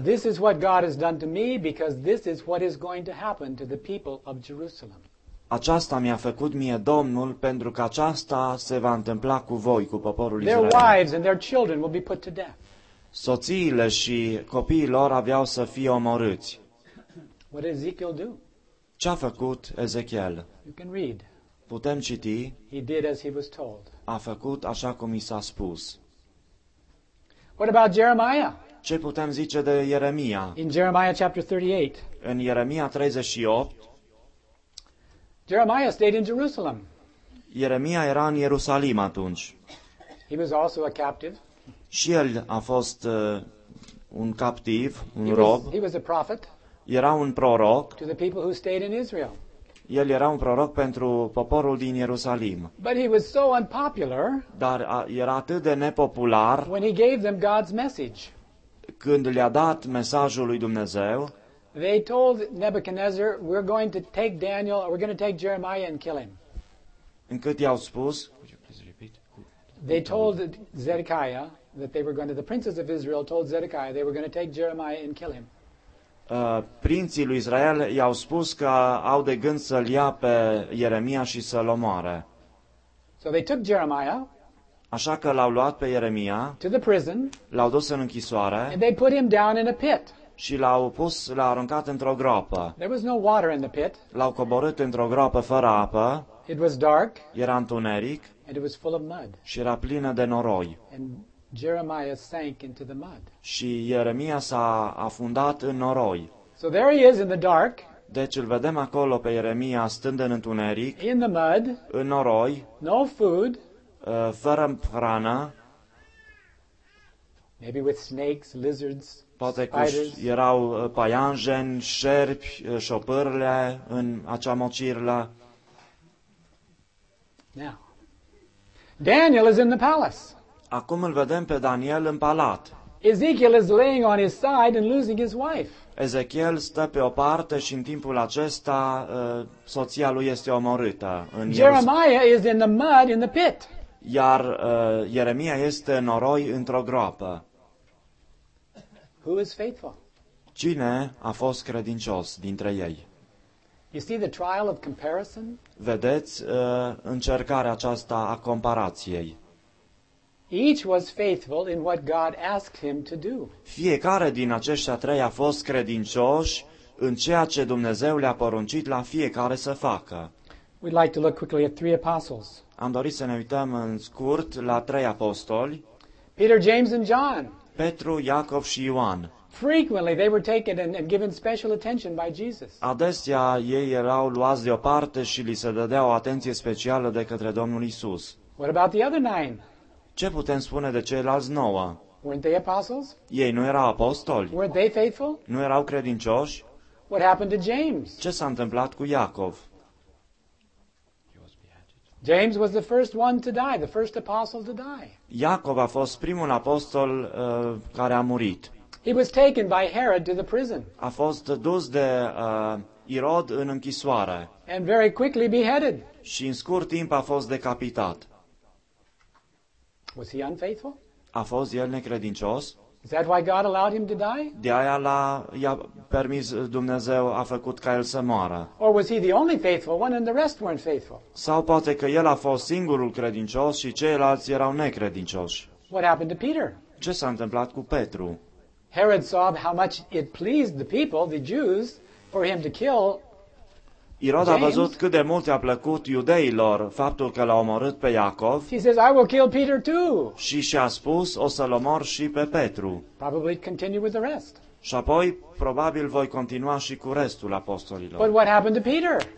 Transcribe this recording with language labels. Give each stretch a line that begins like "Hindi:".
English: This is what God has done to me because this is what is going to happen to the people of Jerusalem.
Romanian: Aceasta mi-a făcut mie Domnul pentru că aceasta se va întâmpla cu voi, cu poporul
English: their Israel. Wives and their children will be put to death.
Romanian: Soțiile și copiii lor aveau să fie omorâți.
English: What did Ezekiel do?
Romanian: Ce-a făcut Ezechiel?
English: You can read.
Romanian: Putem citi.
English: He did as he was told.
Romanian: A făcut așa cum i s-a spus.
English: What about Jeremiah?
Romanian: Ce putem zice de Ieremia?
English: In Jeremiah chapter 38.
Romanian: În Ieremia 38.
English: Jeremiah stayed in Jerusalem.
Romanian: Ieremia era în Ierusalim atunci.
English: He was also a captive.
Romanian: Și el a fost un captiv, un rob.
English: He was a prophet.
Romanian: Era un proroc.
English: To the people who stayed in Israel.
Romanian: El era un proroc pentru poporul din Ierusalim.
English: But he was so unpopular.
Romanian: Dar era atât de nepopular.
English: When he gave them God's message.
Romanian: Când le-a dat mesajul lui Dumnezeu.
English: They told Nebuchadnezzar, we're going to take Daniel, or we're going to take Jeremiah and kill him.
Romanian: Încât i-au spus.
English: Would you please repeat? They told Zedekiah that they were going to, the princes of Israel told Zedekiah they were going to take Jeremiah and kill him.
Romanian: Prinții lui Israel i-au spus că au de gând să-l ia pe Ieremia și să-l omoare.
English: So they took Jeremiah.
Romanian: Așa că l-au luat pe Ieremia.
English: To the prison.
Romanian: L-au dus în închisoare.
English: And they put him down in a pit.
Romanian: Și l-au pus, l-a aruncat într-o groapă.
English: There was no water in the pit.
Romanian: L-au coborât într-o groapă fără apă.
English: It was dark.
Romanian: Era întuneric.
English: And it was full of mud.
Romanian: Și era plină de noroi.
English: And Jeremiah sank into the mud.
Romanian: Și Ieremia s-a afundat în noroi.
English: So there he is in the dark.
Romanian: Deci îl vedem acolo pe Ieremia stând în întuneric.
English: In the mud.
Romanian: În noroi.
English: No food.
Romanian: Fără hrană.
English: Maybe with snakes, lizards.
Romanian: Poate că erau paianjeni, șerpi, șopârle în acea mocirlă.
English: Now, Daniel is in the palace.
Romanian: Acum îl vedem pe Daniel în palat.
English: Ezekiel is laying on his side and losing his wife.
Romanian: Ezechiel stă pe o parte și în timpul acesta soția lui este omorâtă.
English: Jeremiah is in the mud in the pit.
Romanian: Iar Ieremia este în noroi într-o groapă.
English: Who is faithful?
Romanian: Cine a fost credincios dintre ei?
English: You see the trial of comparison?
Romanian: Vedeți încercarea aceasta a comparației.
English: Each was faithful in what God asked him to do.
Romanian: Fiecare din aceștia trei a fost credincioși în ceea ce Dumnezeu le-a poruncit la fiecare să facă.
English: We'd like to look quickly at three apostles.
Romanian: Am dorit să ne uităm în scurt la trei apostoli.
English: Peter, James and John.
Romanian: Petru, Iacov și Ioan.
English: Frequently they were taken and given special attention by Jesus.
Romanian: Adesea ei erau luați deoparte și li se dădea o atenție specială de către Domnul Isus.
English: What about the other nine?
Romanian: Ce putem spune de ceilalți nouă?
English: Weren't they apostles?
Romanian: Ei nu erau apostoli?
English: Were they faithful?
Romanian: Nu erau credincioși?
English: What happened to James?
Romanian: Ce s-a întâmplat cu Iacov?
English: James was the first one to die, the first apostle to die.
Romanian: Iacov a fost primul apostol care a murit.
English: He was taken by Herod to the prison.
Romanian: A fost dus de Irod în închisoare.
English: And very quickly beheaded.
Romanian: Și în scurt timp a fost decapitat.
English: Was he unfaithful?
Romanian: A fost el necredincios?
English: Is that why God allowed him to die?
Romanian: De aia i-a permis Dumnezeu, a făcut ca el să moară.
English: Or was he the only faithful one and the rest weren't faithful?
Romanian: Sau poate că el a fost singurul credincios și ceilalți erau necredincioși.
English: What happened to Peter?
Romanian: Ce s-a întâmplat cu Petru?
English: Herod saw how much it pleased the people, the Jews, for him to kill
Romanian: Irod a văzut cât de mult i-a plăcut iudeilor faptul că l-a omorât pe Iacov.
English: He says, I will kill Peter too.
Romanian: Și și-a spus, o să-l omor și pe Petru.
English: Probably continue with the rest.
Romanian: Și apoi probabil voi continua și cu restul apostolilor.
English: But what happened to Peter?